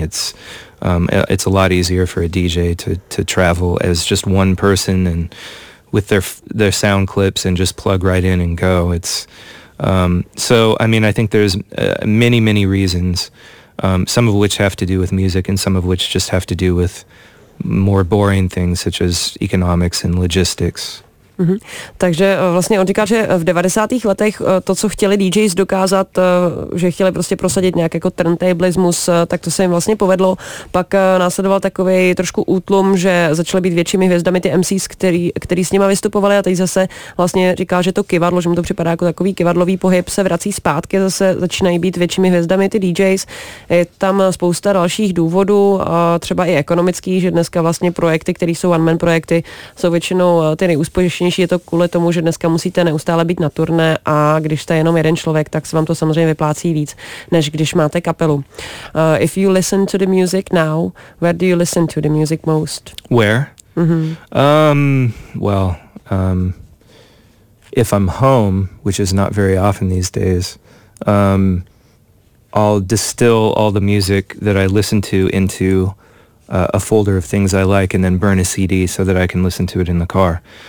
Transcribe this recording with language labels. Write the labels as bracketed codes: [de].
[en] It's a lot easier for a DJ to travel as just one person and with their sound clips and just plug right in and go. So I mean, I think there's many, many reasons, some of which have to do with music and some of which just have to do with more boring things such as economics and logistics. Mm-hmm. [cs] Takže vlastně on říká, že v 90. letech to, co chtěli DJs dokázat, že chtěli prostě prosadit nějak jako turntablismus, tak to se jim vlastně povedlo. Pak následoval takový trošku útlum, že začaly být většími hvězdami ty MCs, který s nima vystupovali, a teď zase vlastně říká, že to kivadlo, že mu to připadá jako takový kivadlový pohyb, se vrací zpátky, zase začínají být většími hvězdami ty DJs. Je tam spousta dalších důvodů, třeba i ekonomický, že dneska vlastně projekty, které jsou [en] one man [cs] projekty, jsou většinou ty nejúspěšnější. Je to kvůli tomu, že dneska musíte neustále být na turné a když jste jenom jeden člověk, tak se vám to samozřejmě vyplácí víc, než když máte kapelu. [en] If you listen to the music now, where do you listen to the music most? Where? Mm-hmm. If I'm home, which is not very often these days, I'll distill all the music that I listen to into a folder of things I like and then burn a CD so that I can listen to it in the car.